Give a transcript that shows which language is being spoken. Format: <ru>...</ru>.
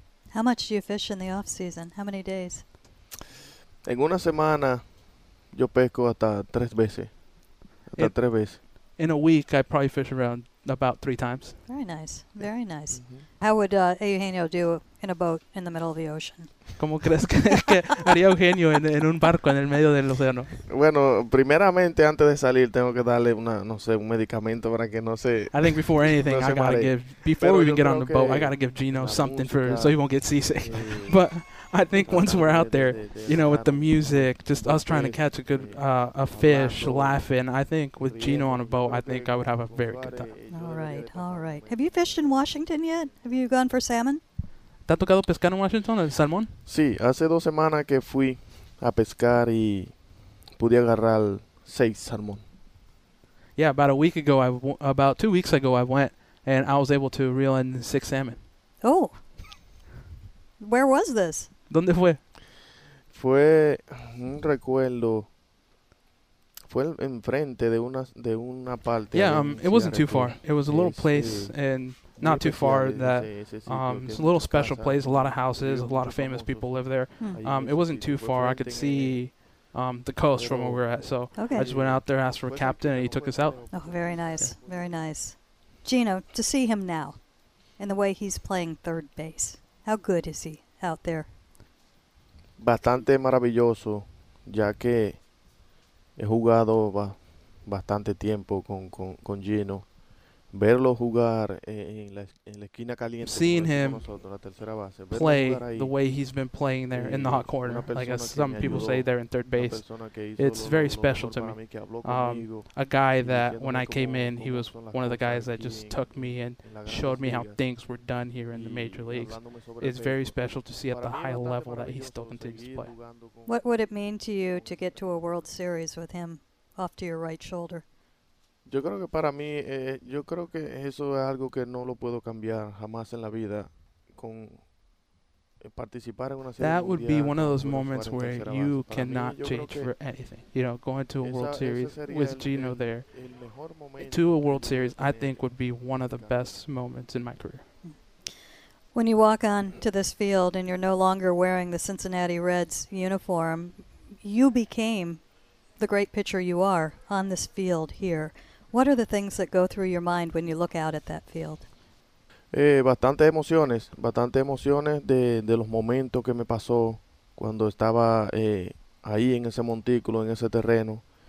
<en>How much do you fish in the off-season? How many days?</en> <es>En una semana... Yo pesco hasta tres veces. Hasta tres veces.</es> <en>In a week, I probably fish around about three times. Very nice. Very nice. Mm-hmm. How would Eugenio do in a boat in the middle of the ocean?</en> <es>¿Cómo crees que haría Eugenio en un barco en el medio del océano? Bueno, primeramente, antes de salir, tengo que darle una, no sé, un medicamento para que no se...</es> <en>I think before anything, no I gotta give... Before we even get on the boat, I gotta give Gino something for so he won't get seasick. But... I think once we're out there, you know, with the music, just us trying to catch a good a fish, laughing, I think with Gino on a boat, I think I would have a very good time. All right, all right. Have you fished in Washington yet? Have you gone for salmon?</en> <es>¿Te ha tocado pescar en Washington, el salmón? Sí, hace dos semanas que fui a pescar y pude agarrar seis salmón.</es> <en>Yeah, about a week ago, about 2 weeks ago, I went and I was able to reel in six salmon. Oh. Where was this?</en> <es>¿Dónde fue? Fue un recuerdo. Fue enfrente de una parte.</es> <en>Yeah, it wasn't too far. It was a little place and not too far that it's a little special place, a lot of houses, a lot of famous people live there. It wasn't too far. I could see the coast from where we were at. So okay. I just went out there, asked for a captain, and he took us out. Oh, very nice. Yeah. Very nice. Gino, to see him now and the way he's playing third base, how good is he out there?</en> <es>Bastante maravilloso, ya que he jugado bastante tiempo con Gino. Verlo jugar en la esquina caliente.</es> <en>Seeing him</en> <es>nosotros, la tercera base.</es> <en>Play</en> <es>verlo jugar ahí,</es> <en>the way he's been playing there in the hot corner, like as some people</en> <es>ayudó,</es> <en>say there in third base. It's very special to me. A guy that when I came in, he was one of the guys that just took me and showed me how things were done here in the major leagues. It's very special to see at the high level that he still continues to play. What would it mean to you to get to a World Series with him off to your right shoulder?</en> <es>Yo creo que para mí, yo creo que eso es algo que no lo puedo cambiar jamás en la vida con participar en una serie.</es> <en>That would be one of those moments where you cannot change for anything. You know, going to a World Series with Gino there, to a World Series, I think would be one of the best moments in my career. When you walk on to this field and you're no longer wearing the Cincinnati Reds uniform, you became the great pitcher you are on this field here. What are the things that go through your mind when you look out at that field?</en> <es>Bastante emociones de los momentos que me pasó cuando estaba ahí en ese montículo, en ese terreno.</es>